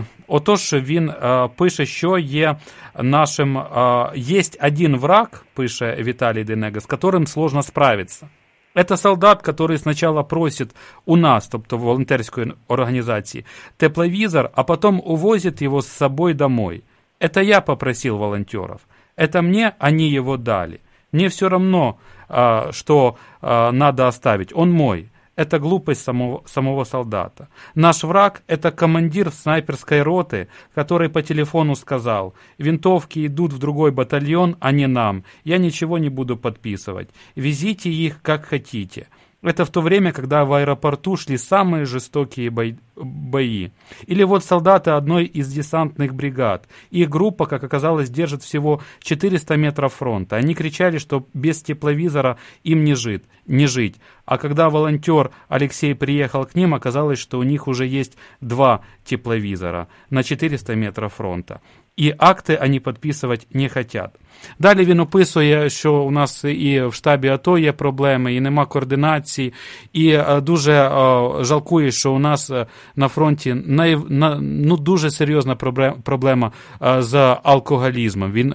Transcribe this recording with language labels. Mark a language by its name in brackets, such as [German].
[Ukrainian] Отож, він пише, що є нашим... є один враг, пише Віталій Денега, з яким сложно справитися. [Russian] Это солдат, который сначала просит у нас, тобто в волонтерской организации, тепловизор, а потом увозит его с собой домой. Это я попросил волонтеров. Это мне они его дали. Мне все равно, что надо оставить. Он мой. Это глупость самого солдата. Наш враг – это командир снайперской роты, который по телефону сказал, винтовки идут в другой батальон, а не нам. Я ничего не буду подписывать. Везите их, как хотите. Это в то время, когда в аэропорту шли самые жестокие бои. Или вот солдаты одной из десантных бригад. Их группа, как оказалось, держит всего 400 метров фронта. Они кричали, что без тепловизора им не жить. А когда волонтер Алексей приехал к ним, оказалось, что у них уже есть два тепловизора на 400 метров фронта. [Ukrainian] І акти вони підписувати не хочуть. Далі він описує, що у нас і в штабі АТО є проблеми, і нема координації, і дуже жалкує, що у нас на фронті дуже серйозна проблема з алкоголізмом.